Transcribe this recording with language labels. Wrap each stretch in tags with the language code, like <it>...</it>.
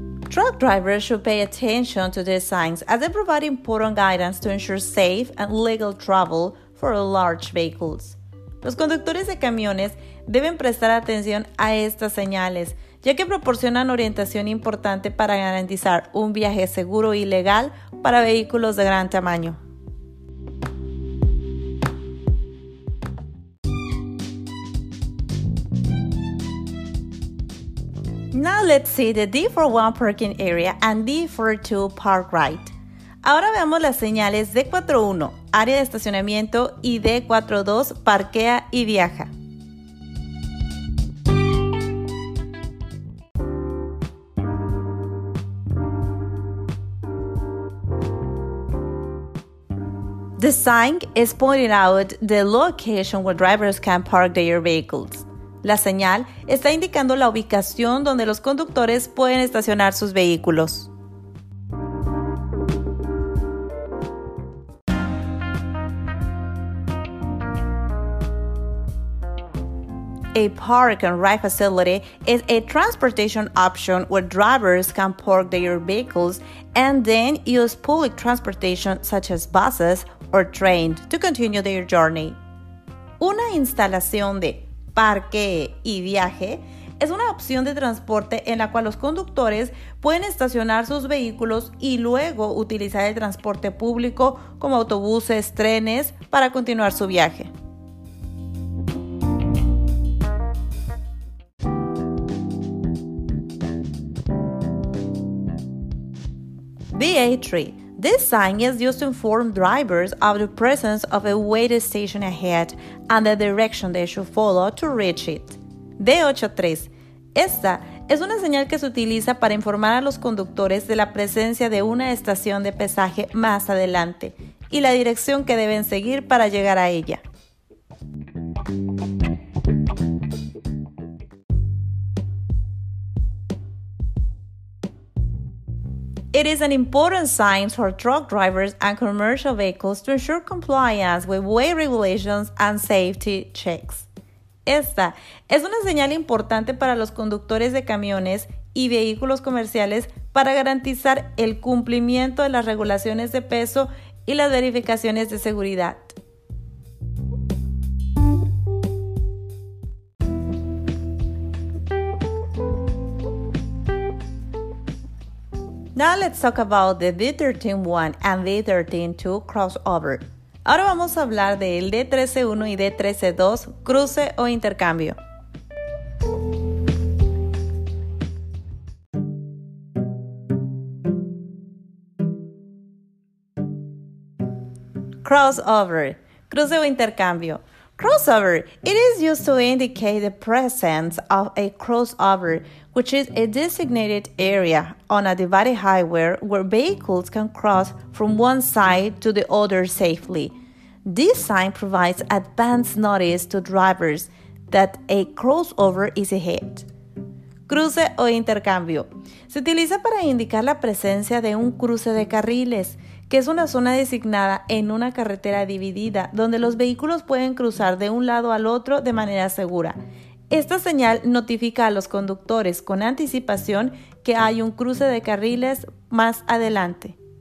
<en>Truck drivers should pay attention to these signs as they provide important guidance to ensure safe and legal travel for large vehicles.</en> <es>Los conductores de camiones deben prestar atención a estas señales, ya que proporcionan orientación importante para garantizar un viaje seguro y legal para vehículos de gran tamaño.</es> <en>Now let's see the D41 parking area and D42 park right.</en> <es>Ahora veamos las señales D41, área de estacionamiento, y D42, parquea y viaja.</es> <en>The sign is pointing out the location where drivers can park their vehicles.</en> <es>La señal está indicando la ubicación donde los conductores pueden estacionar sus vehículos.</es> <en>A park and ride facility is a transportation option where drivers can park their vehicles and then use public transportation such as buses or trains to continue their journey.</en> <es>Una instalación de parque y viaje es una opción de transporte en la cual los conductores pueden estacionar sus vehículos y luego utilizar el transporte público como autobuses, trenes, para continuar su viaje.</es> <en>VA3. This sign is used to inform drivers of the presence of a wait station ahead and the direction they should follow to reach it. D83.</en> <es>Esta es una señal que se utiliza para informar a los conductores de la presencia de una estación de pesaje más adelante y la dirección que deben seguir para llegar a ella.</es> <en>It is an important sign for truck drivers and commercial vehicles to ensure compliance with weight regulations and safety checks.</en> <es>Esta es una señal importante para los conductores de camiones y vehículos comerciales para garantizar el cumplimiento de las regulaciones de peso y las verificaciones de seguridad.</es> <en>Now let's talk about the D13-1 and D13-2 crossover.</en> <es>Ahora vamos a hablar del D13-1 y D13-2 cruce o intercambio. Crossover, cruce o intercambio.</es> <en>Crossover, it is used to indicate the presence of a crossover, which is a designated area on a divided highway where vehicles can cross from one side to the other safely. This sign provides advance notice to drivers that a crossover is ahead.</en> <es>Cruce o intercambio. Se utiliza para indicar la presencia de un cruce de carriles, que es una zona designada en una carretera dividida donde los vehículos pueden cruzar de un lado al otro de manera segura. Esta señal notifica a los conductores con anticipación que hay un cruce de carriles más adelante.</es>